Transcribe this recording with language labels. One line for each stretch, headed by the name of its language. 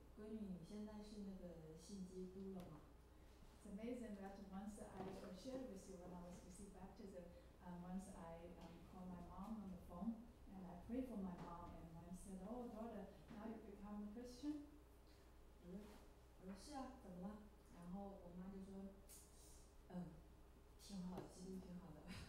Chinese: 就像上次洗礼的时候，我跟大家分享过，有一次我给我妈妈在电话里跟她祷告的时候，然后祷告完了之后，我妈妈说：“哎，闺女，你现在是那个信基督了吗？”
English: It's amazing that once I shared with you when I was receiving baptism, and once I called my mom on the phone and I prayed for my mom, and my mom said, "Oh, daughter, now you become a Christian."
Chinese: 我说是啊，怎么了？然后我妈就说，挺好，基督挺好的。